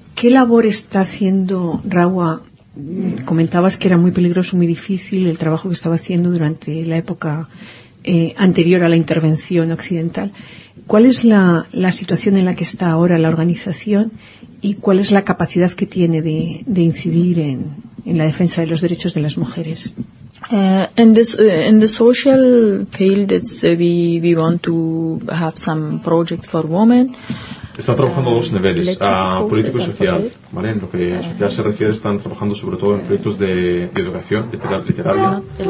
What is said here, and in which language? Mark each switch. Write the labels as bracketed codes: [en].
[es] ¿Qué labor está haciendo Rawa? Comentabas que era muy peligroso, muy difícil el trabajo que estaba haciendo durante la época anterior a la intervención occidental. ¿Cuál es la situación en la que está ahora la organización y cuál es la capacidad que tiene de incidir en la defensa de los derechos de las mujeres? [en] In the social field, we want to have some project for women. [es] Están trabajando a dos niveles, político y social. ¿Vale? En lo que a social se refiere, están trabajando sobre todo en proyectos de educación literaria.